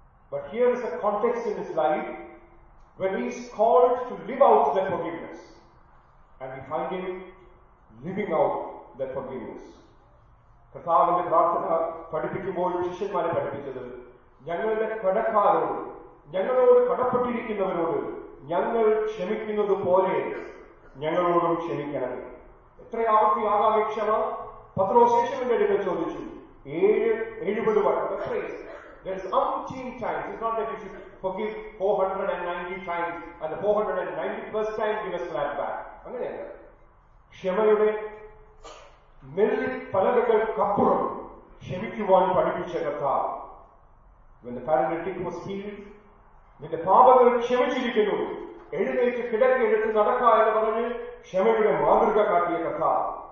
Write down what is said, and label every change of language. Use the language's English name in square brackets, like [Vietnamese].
[English] But here is a context in his life when he is called to live out that forgiveness. And we find him living out that forgiveness. [Malayalam] കർത്താവിന്റെ പ്രാർത്ഥന പഠിപ്പിക്കുമ്പോൾ ശിഷ്യന്മാരെ പഠിപ്പിച്ചത് ഞങ്ങളുടെ കടക്കാരോട്, ഞങ്ങളോട് കടപ്പെട്ടിരിക്കുന്നവരോട് ഞങ്ങൾ ക്ഷമിക്കുന്നത് പോലെ ഞങ്ങളോടും ക്ഷമിക്കണം. എത്ര ആവർത്തി ആകാംക്ഷ പത്രോ ശേഷമെന്റെ അടുക്കൽ ചോദിച്ചു. [English] 70 times. There's umpteen times. It's not that you should forgive 490 times and the 491st time give a slap back. [Malayalam] അങ്ങനെ ക്ഷമയുടെ മെല്ലെ പലതുകൾക്കപ്പുറം ക്ഷമിക്കുവാൻ പഠിപ്പിച്ച കർത്താവ്. [English] When the paralytic was healed, [Malayalam] നിന്റെ പാപങ്ങൾ ക്ഷമിച്ചിരിക്കുന്നു, എഴുന്നേറ്റ് കിടക്ക് എടുത്ത് നടക്കുക എന്ന് പറഞ്ഞ് ക്ഷമയുടെ മാതൃക കാട്ടിയ കർത്താവ്.